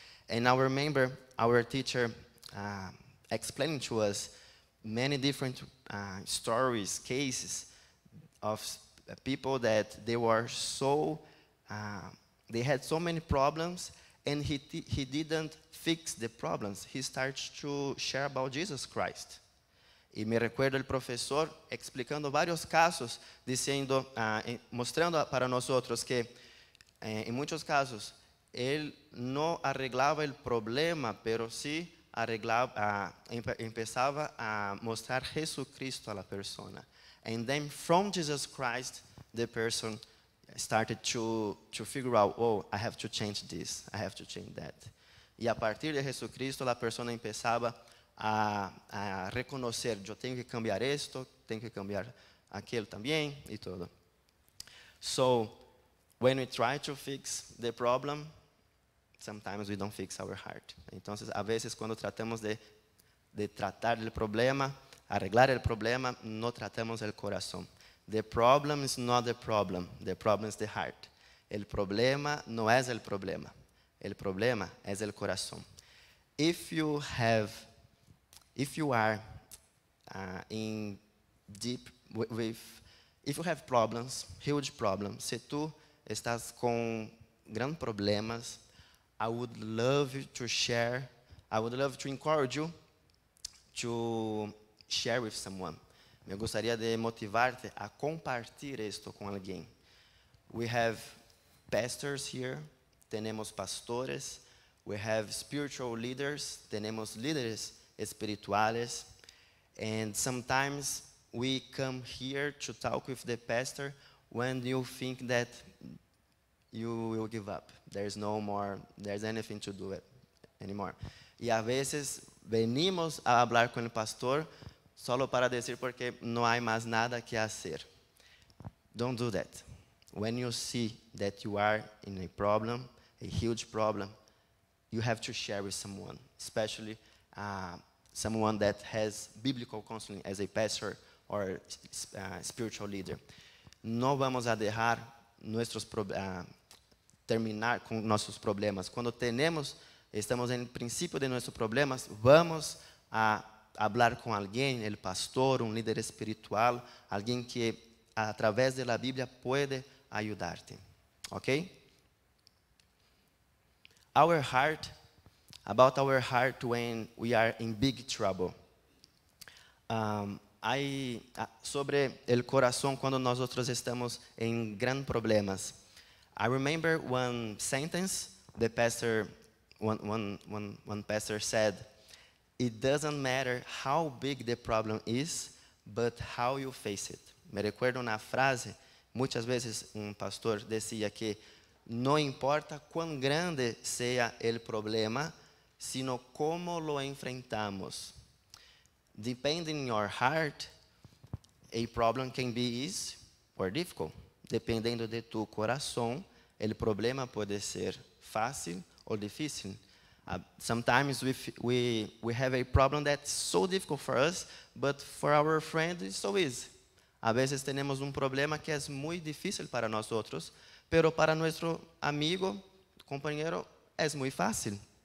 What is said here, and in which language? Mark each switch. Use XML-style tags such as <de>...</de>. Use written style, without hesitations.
<en>And I remember our teacher explaining to us many different stories, cases of people that they were so, they had so many problems, and he didn't fix the problems. He starts to share about Jesus Christ.</en> <es>Y me recuerdo el profesor explicando varios casos, diciendo, mostrando para nosotros que en muchos casos él no arreglaba el problema, pero sí arreglaba, empezaba a mostrar Jesucristo a la persona.</es> <en>And then from Jesus Christ, the person started to figure out, oh, I have to change this, I have to change that.</en> <es>Y a partir de Jesucristo, la persona empezaba a reconocer, yo tengo que cambiar esto, tengo que cambiar aquello también, y todo.</es> <en>So, when we try to fix the problem, sometimes we don't fix our heart.</en> <es>Entonces, a veces cuando tratamos de tratar el problema, arreglar el problema, no tratamos el corazón.</es> <en>The problem is not the problem, the problem is the heart.</en> <es>El problema no es el problema. El problema es el corazón.</es> <en>If you have problems, huge problems,</en> <es>si tú estás con gran problemas,</es> <en>I would love to share, I would love to encourage you to share with someone.</en> <es>Me gustaría de motivarte a compartir esto con alguien.</es> <en>We have pastors here.</en> <es>Tenemos pastores,</es> <en>we have spiritual leaders,</en> <es>tenemos líderes espirituales,</es> <en>and sometimes we come here to talk with the pastor when you think that you will give up. There's anything to do it anymore.</en> <es>Y a veces venimos a hablar con el pastor solo para decir porque no hay más nada que hacer.</es> <en>Don't do that. When you see that you are in a problem, a huge problem, you have to share with someone, especially someone that has biblical counseling as a pastor or spiritual leader.</en> <es>No vamos a dejar nuestros terminar con nuestros problemas. Cuando estamos en el principio de nuestros problemas, vamos a hablar con alguien, el pastor, un líder espiritual, alguien que a través de la Biblia puede ayudarte.</es> <en>Okay? About our heart when we are in big trouble.</en> <es>Sobre el corazón cuando nosotros estamos en gran problemas.</es> <en>I remember one sentence the pastor, one pastor said, it doesn't matter how big the problem is, but how you face it.</en> <es>Me recuerdo una frase Muchas veces un pastor decía que no importa cuán grande sea el problema, sino cómo lo enfrentamos.</es> <en>Depending on your heart, a problem can be easy or difficult.</en> <es>Dependiendo de tu corazón, el problema puede ser fácil o difícil.</es> <en>Sometimes we have a problem that's so difficult for us, but for our friend it's so easy.</en> <es>A veces tenemos un problema que es muy difícil para nosotros, pero para nuestro amigo, compañero, es muy fácil.</es>